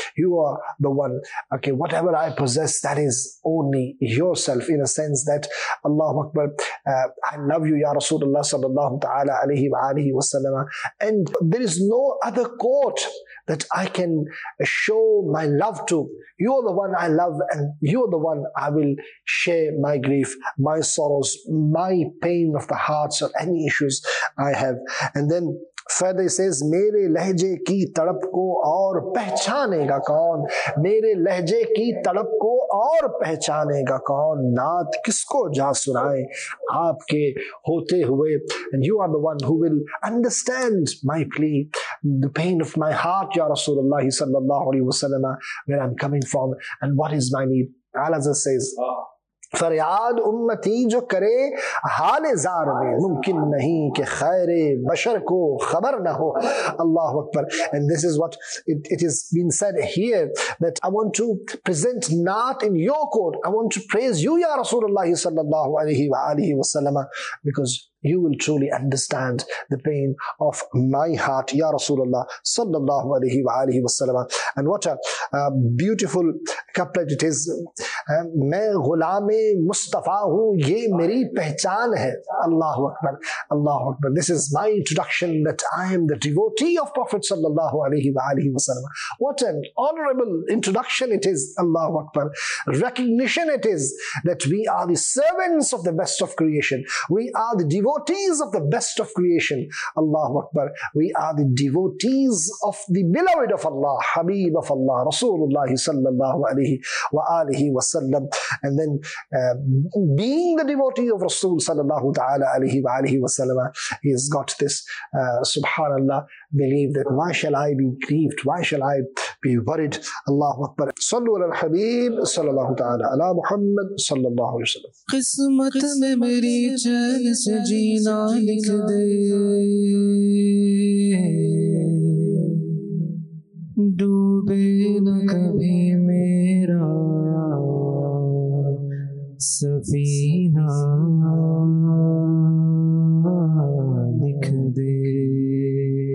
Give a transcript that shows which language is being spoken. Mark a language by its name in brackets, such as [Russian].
[English] You are the one. Okay, whatever I possess, that is only yourself, in a sense that Allahu Akbar, I love you, Ya Rasulullah sallallahu ta'ala alayhi wa alihi wa sallam. And there is no other court that I can show my love to. You are the one I love, and you are the one I will share my grief, my sorrows, my pain of the heart, or any issues I have. And then Further he says, [Urdu] میرے لہجے کی تڑپ کو اور پہچانے گا کون, میرے لہجے کی تڑپ کو اور پہچانے گا کون, نعت کس کو جا سنائے آپ کے ہوتے ہوئے. [English] And you are the one who will understand my plea, the pain of my heart, [Arabic] یا رسول اللہ صلی اللہ علیہ وسلم, [English] where I'm coming from and what is my need. Al-Azhar says, [Urdu] فریاد امتی جو کرے حال زار میں, ممکن نہیں کہ خیر بشر کو خبر نہ ہو. [Arabic] اللہ اکبر. [English] And this is what it is being said here, that I want to present not in your court, I want to praise you, ya Rasulullah sallallahu alayhi wa alihi wa sallam, because you will truly understand the pain of my heart, ya Rasulullah sallallahu alayhi wa alihi wa sallam. And what a beautiful couplet it is. [Urdu] میں غلام مصطفیٰ ہوں یہ میری پہچان ہے. [Arabic] اللہ اکبر, اللہ اکبر. [English] This is my introduction, that I am the devotee of Prophet sallallahu alayhi wa alihi wa sallam. What an honorable introduction it is. Allah akbar. Recognition it is, that we are the servants of the best of creation, we are the devotees of the best of creation. Allah akbar. We are the devotees of the beloved of Allah, Habib of Allah, Rasulullah sallallahu alayhi wa alihi wa sallam. And then being the devotee of Rasul sallallahu ta'ala alayhi wa alihi wa sallam, he has got this subhanallah belief that why shall I be grieved, why shall I be worried. Allahu akbar. Sallu ala al-habib sallallahu ta'ala ala Muhammad sallallahu alayhi wa sallam. [Urdu] قسمت میں میری چین سے جینا لکھ دے, ڈوبے نہ کبھی میرا سفینہ لکھ دے.